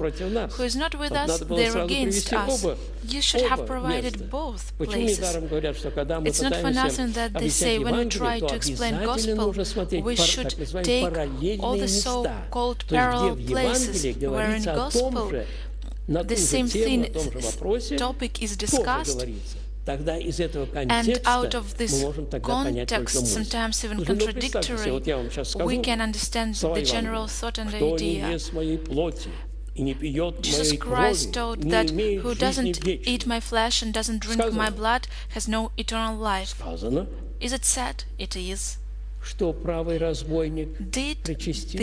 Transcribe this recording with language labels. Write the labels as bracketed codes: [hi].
[en] Who is not with us, they are against us. You should have provided both places. It's not for nothing that they say when we try to explain Gospel, we should take all the so-called parallel places, where in Gospel the same thing, topic is discussed. [ru] Тогда из этого контекста мы можем тогда понять только мысль. [en] Sometimes even contradictory, [ru] вот я вам сейчас скажу, [en] we can understand the general thought and idea. [ru] Кто не ест моей плоти и не пьет моей крови, [en] Jesus Christ told that who doesn't eat my flesh and doesn't drink my blood has no eternal life. [ru] Сказано. [en] Is it said? It is. [ru] Что правый разбойник причастился?